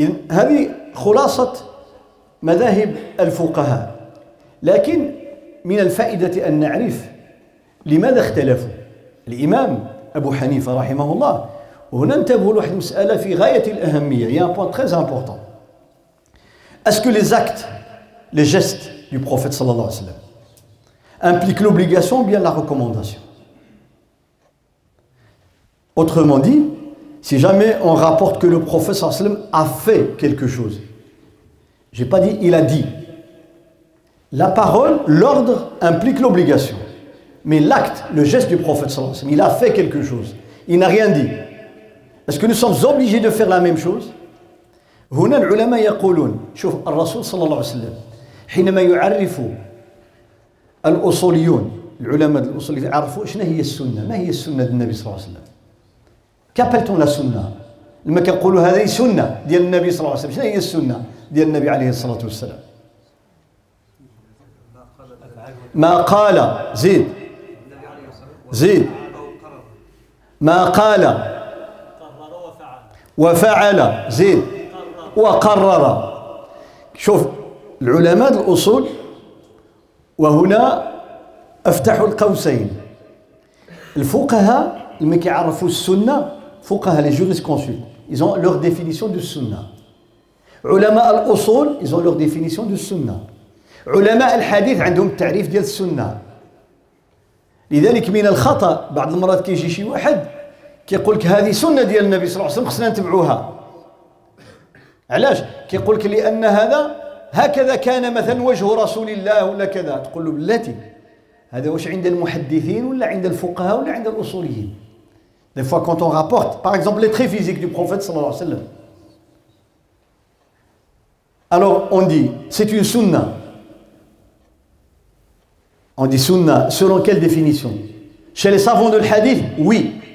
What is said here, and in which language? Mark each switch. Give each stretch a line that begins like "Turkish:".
Arabic: هذه خلاصة مذاهب الفقهاء لكن من الفائدة أن نعرف لماذا اختلفوا الإمام أبو حنيفة رحمه الله وهنا ننتبه لواحد المسألة في غاية الأهمية هي
French: un point très important. Est-ce que les actes les gestes du prophète صلى الله عليه وسلم impliquent l'obligation ou bien la recommandation? Autrement dit si jamais on rapporte que le prophète صلى الله عليه وسلم a fait quelque chose. J'ai pas dit, il a dit. La parole, l'ordre implique l'obligation. Mais l'acte, le geste du prophète sallallahu alayhi wa sallam, il a fait quelque chose. Il n'a rien dit. Est-ce que nous sommes obligés de faire la même chose?
Arabic: هنا العلماء يقولون شوف الرسول صلى الله عليه وسلم حينما يعرف الأصوليون العلماء الأصوليين يعرفوا شنا هي السنة ما هي السنة النبي صلى الله عليه وسلم كابلتون السنة لما كنقولوا هذه سنة ديال النبي صلى الله عليه وسلم شنا هي السنة ديال النبي عليه الصلاة والسلام ما قال زيد ما قال وفعل زيد وقرر شوف العلماء الأصول وهنا أفتح القوسين الفقهاء اللي كيعرفوا السنة فقهاء
French: لي جوريس كونسول ils ont leur définition de sunna.
Arabic: علماء الأصول
French: ils ont leur définition de sunna.
Arabic: علماء الحديث عندهم التعريف ديال السنة. لذلك من الخطأ بعض المرات كيجي شي واحد كيقول لك هذه سنة ديال النبي صلى الله عليه وسلم خصنا نتبعوها. علاش؟ كيقول لك لأن هذا هكذا كان مثلا وجه رسول الله ولا كذا تقول له بلاتي هذا واش عند المحدثين ولا عند الفقهاء ولا عند الأصوليين.
French: Des fois quand on rapporte par exemple les traits physiques du prophète صلى الله عليه وسلم. Alors on dit, c'est une sunna. On dit sunna, selon quelle définition? Chez les savants du hadith, oui.